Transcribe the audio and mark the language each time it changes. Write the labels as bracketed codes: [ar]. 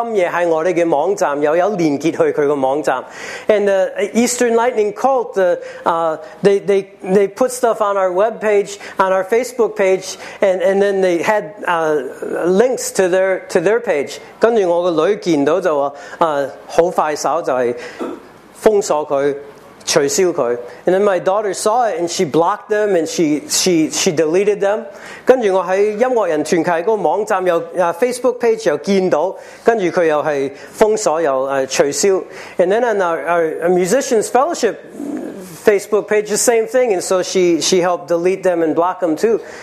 [zh] 係東方閃電嘅，係全能神嘅，即係抌嘢喺我哋嘅網站，又有連結去佢個網站。 [en] And the Eastern Lightning Cult, they put stuff on our webpage, on our Facebook page, and then they had links to their page. [zh] 跟住我個女見到就話，好快手就係封鎖佢。取消佢, [en] and then my daughter saw it, and she blocked them, and she deleted them. [zh] 跟住我喺音樂人團契嗰個網站又 Facebook page 又見到，跟住佢又係封鎖又取消. [en] And then on our musicians fellowship Facebook page, the same thing, and so she helped delete them and block them too.